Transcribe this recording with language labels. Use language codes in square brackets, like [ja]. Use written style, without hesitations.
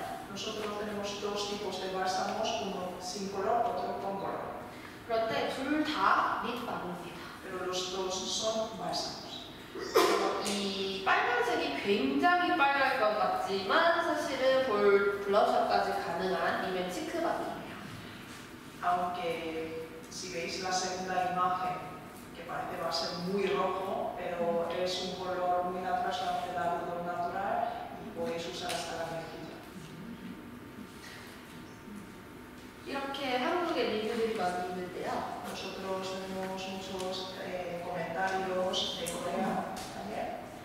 [es] Nosotros tenemos dos tipos de bálsamos, uno sin color, otro con color. Pero los dos son bálsamos. [ko] 이 빨간색이 굉장히 빨갈 것 같지만 사실은 볼 블러셔까지 가능한 이 매치크 반응이에요. [es] Aunque si veis la segunda imagen que parece va a ser muy rojo, pero es un color muy natural, se hace la luz natural y podéis usar hasta la mejilla. [ko] 이렇게 한국의 리뷰들이 많이 있는데요. [es] Nosotros tenemos muchos comentarios de Corea.